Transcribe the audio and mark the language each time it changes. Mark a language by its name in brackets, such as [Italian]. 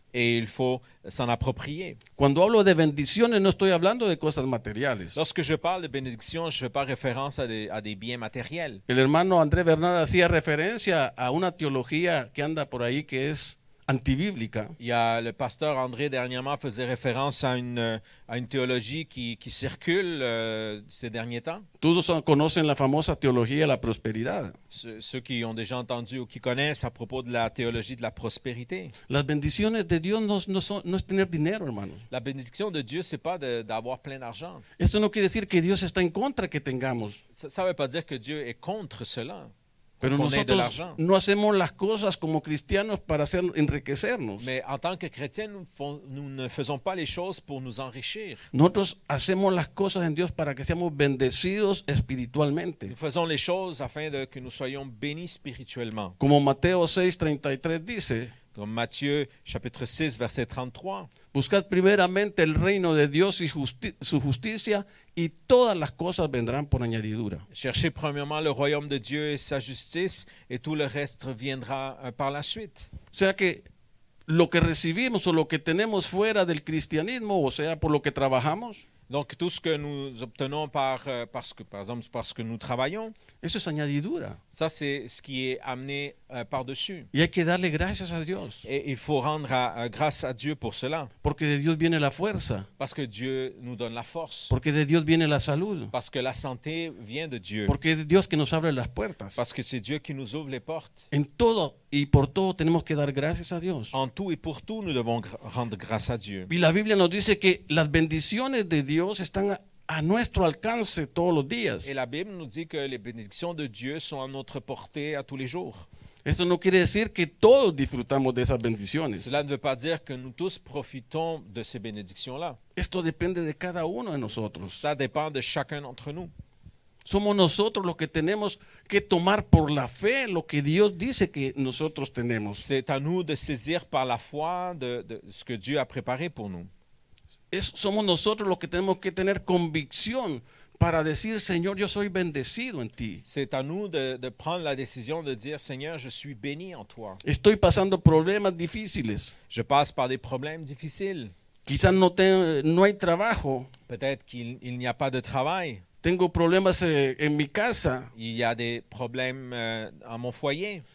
[French] Et il faut s'en approprier. [Spanish] Cuando hablo de bendiciones no estoy hablando de cosas materiales. [French] Lorsque je parle de bénédictions, je fais pas référence à des biens matériels. [Spanish] El hermano André Bernard hacía referencia a una teología que anda por ahí que es antibíblica. [French] Y le pasteur André dernièrement faisait référence à une théologie qui circule ces derniers temps. [Spanish] Todos conocen la famosa teología de la prosperidad. [French] Ceux qui ont déjà entendu ou qui connaissent à propos de la théologie de la prospérité. [Spanish] Las bendiciones de Dios no es tener dinero, hermano. [French] La bénédiction de Dieu c'est pas d'avoir plein d'argent. [Spanish] Esto no quiere decir que Dios está en contra que tengamos. [French] Ça veut pas dire que Dieu est contre cela. [Spanish] Pero nosotros no hacemos las cosas como cristianos para hacer enriquecernos. [French] Mais en tant que chrétiens, nous ne faisons pas les choses pour nous enrichir. [Spanish] Nosotros hacemos las cosas en Dios para que seamos bendecidos espiritualmente. [French] Nous faisons les choses afin de que nous soyons bénis spirituellement. [Spanish] Como Mateo 6:33 dice, [French] donc Matthieu chapitre 6 verset 33. [Spanish] Buscad primeramente el reino de Dios y su justicia y todas las cosas vendrán por añadidura. [French] Cherchez premièrement le royaume de Dieu et sa justice et tout le reste viendra par la suite. [Spanish] O sea que lo que recibimos o lo que tenemos fuera del cristianismo, o sea, por lo que trabajamos, [French] donc tout ce que nous obtenons par exemple parce que nous travaillons, [Spanish] eso es añadidura. [French] Ça c'est ce qui est amené par-dessus. [Spanish] Y hay que darle gracias a Dios. [French] Et il faut rendre grâce à Dieu pour cela. [Spanish] Porque de Dios viene la fuerza. [French] Parce que Dieu nous donne la force. [Spanish] Porque de Dios viene la salud. [French] Parce que la santé vient de Dieu. [Spanish] Porque es Dios que nos abre las puertas. [French] Parce que c'est Dieu qui nous ouvre les portes. [Spanish] En todo y por todo tenemos que dar gracias a Dios. [French] En tout et pour tout nous devons rendre grâce à Dieu. [Spanish] Y la Biblia nos dice que las bendiciones de Dios están a nuestro alcance todos los días. [French] Et la Bible nous dit que les bénédictions de Dieu sont à notre portée à tous les jours. [Spanish] Esto no quiere decir que todos disfrutamos de esas bendiciones. [French] Cela ne veut pas dire que nous tous profitons de ces bénédictions-là. [Spanish] Esto depende de cada uno de nosotros. [French] Ça dépend de chacun d'entre nous. [Spanish] Somos nosotros los que tenemos que tomar por la fe lo que Dios dice que nosotros tenemos. [French] C'est à nous de saisir par la foi de ce que Dieu a préparé pour nous. [Spanish] Somos nosotros los que tenemos que tener convicción para decir, Señor, yo soy bendecido en ti. [French] C'est à nous de prendre la décision de dire, Seigneur, je suis béni en toi. [Spanish] Estoy pasando problemas difíciles. [French] Je passe par des problèmes difficiles. [Spanish] Quizás no hay trabajo. [French] Peut-être qu'il n'y a pas de travail. [Spanish] Tengo problemas en mi casa. [French] Il y a des problèmes en mon foyer.